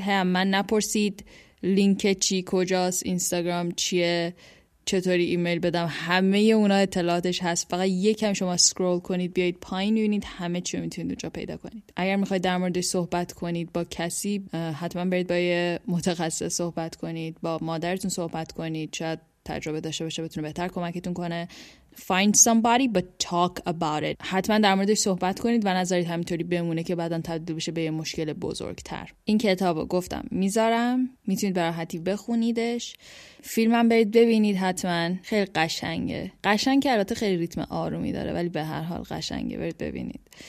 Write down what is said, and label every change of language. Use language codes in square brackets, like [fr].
[fa] هی من نپرسید لینک چی کجاست، اینستاگرام چیه، چطوری ایمیل بدم، همه اونا اطلاعاتش هست، فقط یکم شما سکرول کنید بیایید پایین ببینید همه چی میتونید اونجا پیدا کنید. اگر میخواید در موردش صحبت کنید با کسی حتما برید با یه متخصص صحبت کنید، با مادرتون صحبت کنید، شاید تجربه داشته باشه بتونه بهتر کمکتون کنه. [en] Find somebody but talk about it. [fa] حتما در موردش صحبت کنید و نذارید همینطوری بمونه که بعدا تبدیل بشه به یه مشکل بزرگتر. این کتابو گفتم میذارم، میتونید به راحتی بخونیدش. فیلمم برید ببینید حتما، خیلی قشنگه. قشنگ که البته خیلی ریتم آرومی داره ولی به هر حال قشنگه، برید ببینید.